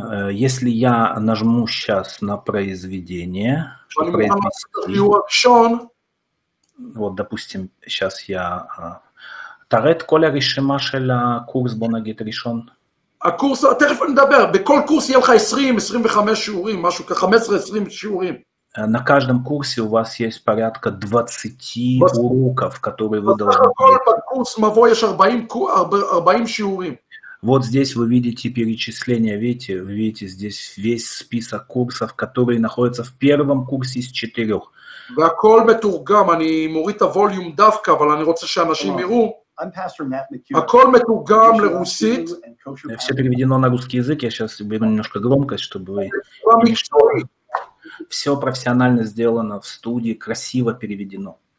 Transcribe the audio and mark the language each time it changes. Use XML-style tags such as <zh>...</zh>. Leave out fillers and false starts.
<ru>Если я нажму сейчас на произведение, вот, допустим, сейчас я</ru> <he>тарет коля решима шела курс бонагит решен. הקורס, תכף נדבר, בכל קורס יהיה לך 20-25 שיעורים, משהו כ- 15-20 שיעורים.</he> <ru>На каждом курсе у вас есть порядка 20 уроков, которые вы должны...</ru> <he>בכל קורס מבוא יש 40 שיעורים.</he> <ru>Вот здесь вы видите перечисление, видите, видите здесь весь список курсов, которые находятся в первом курсе из четырех.</ru> <he>והכל מתורגם, אני מוריד את הווליום דווקא, אבל אני רוצה שאנשים יראו. הכל מתורגם לרוסית.</he> <ru>Все переведено на русский язык. Я сейчас беру немножко громкость, чтобы вы... Все профессионально сделано в студии, красиво переведено.</ru>